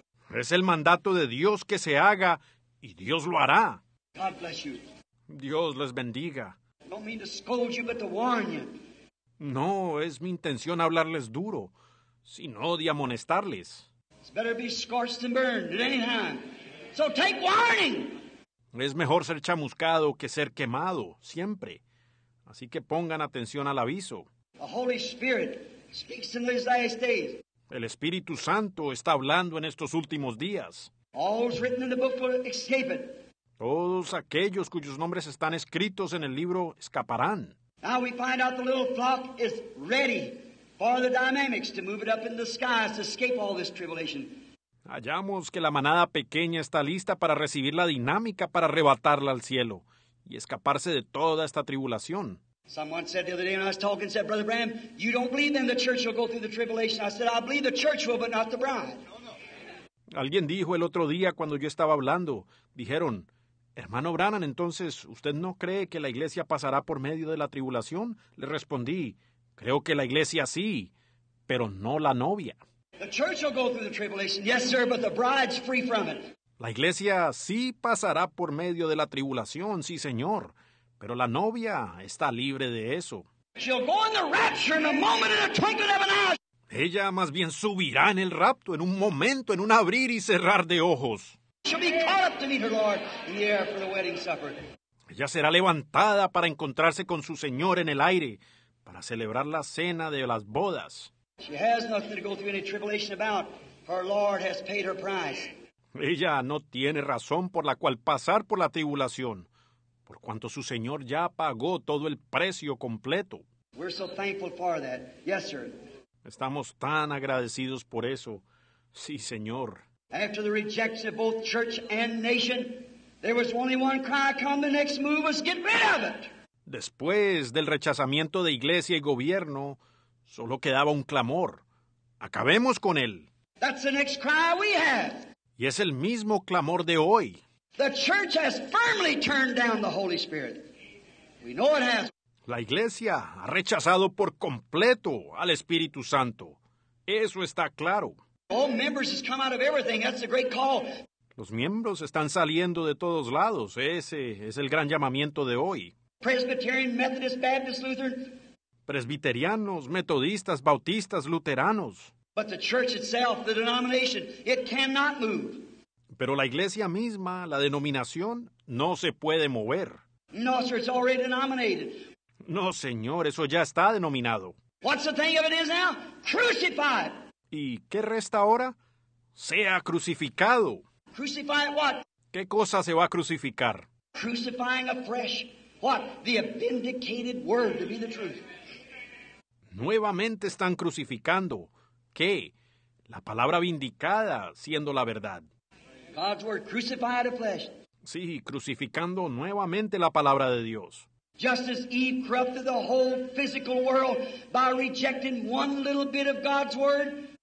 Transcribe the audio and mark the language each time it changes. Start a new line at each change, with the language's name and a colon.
Spanish: Es el mandato de Dios que se haga... Y Dios lo hará.
English: God bless you.
Spanish: Dios les bendiga.
English: I don't mean to scold you, but to warn you.
Spanish: No es mi intención hablarles duro, sino de amonestarles.
English: It's better be scorched than burned at any time. So take warning.
Spanish: Es mejor ser chamuscado que ser quemado, siempre. Así que pongan atención al aviso.
English: The Holy Spirit speaks in these last days.
Spanish: El Espíritu Santo está hablando en estos últimos días.
English: All's written in the book will escape it.
Spanish: Todos aquellos cuyos nombres están escritos en el libro escaparán.
English: Now we find out the little flock is ready for the dynamics to move it up in the skies to escape all this tribulation.
Spanish: Hallamos que la manada pequeña está lista para recibir la dinámica para arrebatarla al cielo y escaparse de toda esta tribulación.
English: Someone said the other day when I was talking, said, Brother Bram, you don't believe then the church will go through the tribulation. I said, I believe the church will, but not the bride.
Spanish: Alguien dijo el otro día cuando yo estaba hablando, dijeron, hermano Branham, entonces, ¿usted no cree que la iglesia pasará por medio de la tribulación? Le respondí, Creo que la iglesia sí, pero no la novia.
English: The church will go through the tribulation, yes, sir, but the bride's free from it.
Spanish: La iglesia sí pasará por medio de la tribulación, sí, señor, pero la novia está libre de eso.
English: She'll go in the rapture in a moment in a twinkling of an eye.
Spanish: Ella más bien subirá en el rapto en un momento, en un abrir y cerrar de ojos.
English: She'll be caught up to meet her Lord in the air for the wedding supper.
Spanish: Ella será levantada para encontrarse con su Señor en el aire, para celebrar la cena de las bodas.
English: She has nothing to go through any tribulation about. Her Lord has paid her price.
Spanish: Ella no tiene razón por la cual pasar por la tribulación, por cuanto su Señor ya pagó todo el precio completo.
English: We're so thankful for that. Yes, sir.
Spanish: Estamos tan agradecidos por eso. Sí, Señor.
English: After the rejection of both church and nation, there was only one cry, come, the next move was get rid of it.
Spanish: Después del rechazamiento de iglesia y gobierno, solo quedaba un clamor. Acabemos con él.
English: That's the next cry we have.
Spanish: Y es el mismo clamor de hoy.
English: The church has firmly turned down the Holy Spirit. We know it has.
Spanish: La iglesia ha rechazado por completo al Espíritu Santo. Eso está claro.
English: All members has come out of everything. That's a great call.
Spanish: Los miembros están saliendo de todos lados. Ese es el gran llamamiento de hoy.
English: Presbyterian, Methodist, Baptist, Lutheran.
Spanish: Presbiterianos, metodistas, bautistas, luteranos.
English: But the church itself, the denomination, it cannot move.
Spanish: Pero la iglesia misma, la denominación, no se puede mover.
English: No, sir, it's already denominated.
Spanish: No, señor, eso ya está denominado.
English: What's the thing of it is now? Crucified.
Spanish: ¿Y qué resta ahora? Sea crucificado.
English: Crucify what?
Spanish: ¿Qué cosa se va a crucificar?
English: Crucifying afresh. What? The vindicated word to be the truth.
Spanish: Nuevamente están crucificando. ¿Qué? La palabra vindicada siendo la verdad.
English: God's word crucified afresh.
Spanish: Sí, crucificando nuevamente la palabra de Dios.
English: Just as Eve corrupted the whole physical world by rejecting one little bit of God's word.